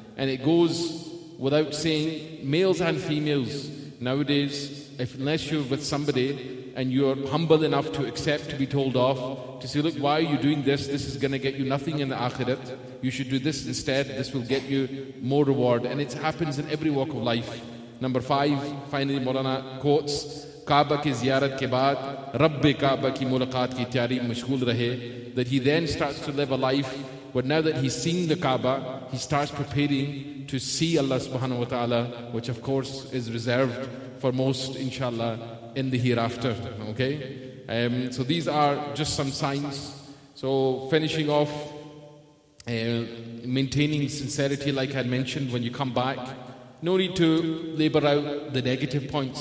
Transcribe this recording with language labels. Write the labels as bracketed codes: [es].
[en] And it goes without saying, males and females, nowadays, unless you're with somebody and you're humble enough to accept to be told off, to say, look, why are you doing this? This is going to get you nothing in the akhirat. You should do this instead. This will get you more reward. And it happens in every walk of life. Number five, finally, Maulana quotes, [ur] کعبہ کی زیارت کے بعد، ربِ کعبہ کی ملاقات کی تیاری مشغول رہے. [en] That he then starts to live a life, but now that he's seeing the Kaaba, he starts preparing to see Allah subhanahu wa ta'ala, which of course is reserved for most, inshallah, in the hereafter. Okay? So these are just some signs. So finishing off, maintaining sincerity, like I mentioned, when you come back, no need to labor out the negative points.